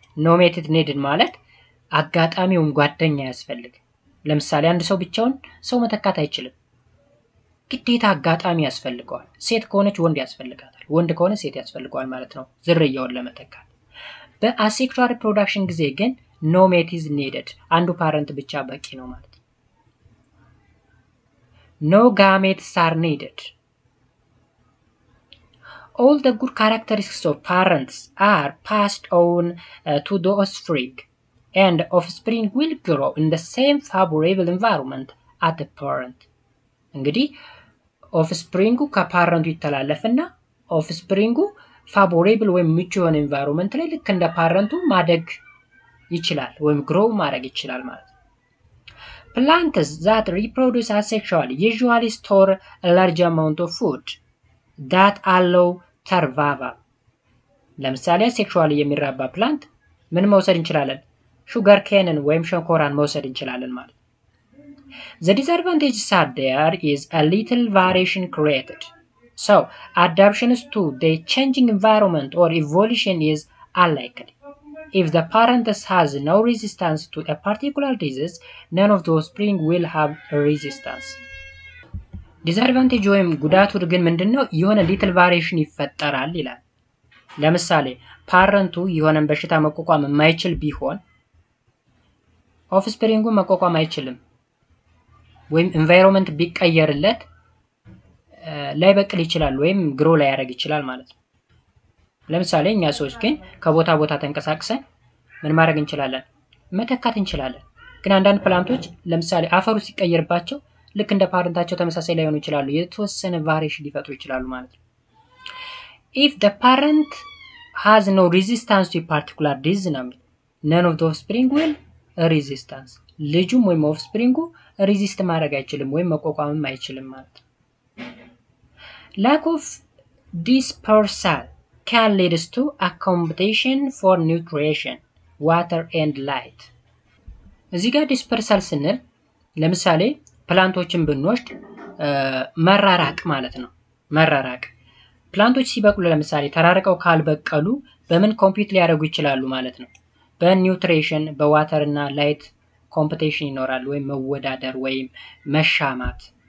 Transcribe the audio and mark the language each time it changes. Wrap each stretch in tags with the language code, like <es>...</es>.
<en>No mate is needed</en> <am>ማለት አጋጣሚውን ጓደኛ ያስፈልግ። ለምሳሌ አንድ ሰው ብቻውን ሰው መተካት አይችልም። ግዴታ አጋጣሚ ያስፈልጋል። ሴት ከሆነች ወንድ ያስፈልጋታል። ወንድ ከሆነ ሴት ያስፈልጋል ማለት ነው። ዝርያውን ለመተካት። በአሴክሹዋል ሪፕሮዳክሽን ጊዜ ግን</am> <en>no mate is needed.</en> <am>አንዱ ፓረንት ብቻ በቂ ነው ማለት ነው።</am> <en>No gametes are needed. All the good characteristics of parents are passed on to the offspring and offspring will grow in the same favorable environment as the parent. እንግዲህ</en> <am>offspring ከፓረንቱ ይተላለፈና offspring favorable ወይም ምቹ የሆነ environment ላይ ልክ እንደ ፓረንቱ ማደግ ይችላል ወይም grow ማድረግ ይችላል ማለት ነው።</am> <en>Plants that reproduce asexually usually store a large amount of food that allow survival.</en> <am>ለምሳሌ asexually የሚራባ plant ምን መውሰድ እንችላለን? Sugar cane ወይም ሸንኮራን መውሰድ እንችላለን ማለት ነው።</am> <en>The disadvantage there is a little variation created. So, adaptation is to the changing environment or evolution is unlikely. If the parent has no resistance to a particular disease, none of the offspring will have a resistance.</en> <am>Disadvantage ወይም ጉዳቱ ግን ምንድነው? የሆነ little variation ይፈጠራል ይላል። ለምሳሌ ፓረንቱ የሆነን በሽታ መቋቋም የማይችል ቢሆን offspring መቋቋም አይችልም። ወይም environment ቢቀየርለት ላይበቅል ይችላል ወይም grow ላይያረግ ይችላል ማለት ነው። ለምሳሌ እኛ ሰዎች ግን ከቦታ ቦታ ተንቀሳቅሰን ምን ማድረግ እንችላለን? መተካት እንችላለን። ግን አንዳንድ ፕላንቶች ለምሳሌ አፈሩ ሲቀየርባቸው ልክ እንደ ፓረንታቸው ተመሳሳይ ላይሆኑ ይችላሉ። የተወሰነ ቫሪሽን ሊፈጥሩ ይችላሉ ማለት ነው።</am> <en>If the parent has no resistance to a particular disease, none of the offspring will resistance.</en> <am>ልጁም ወይም ኦፍስፕሪንጉ ሪዚስት ማድረግ አይችልም ወይም መቋቋምም አይችልም ማለት ነው።</am> <en>Lack of dispersal can lead to a competition for nutrition, water and light.</en> <am>እዚህ ጋር dispersal ስንል ለምሳሌ ፕላንቶችን ብንወስድ መራራቅ ማለት ነው። መራራቅ ፕላንቶች ሲበቅሉ ለምሳሌ ተራርቀው ካልበቀሉ በምን ኮምፒት ሊያደርጉ ይችላሉ ማለት ነው። በኒውትሪሽን በዋተር እና ላይት ኮምፒቲሽን ይኖራል ወይም መወዳደር ወይም መሻማት።</am>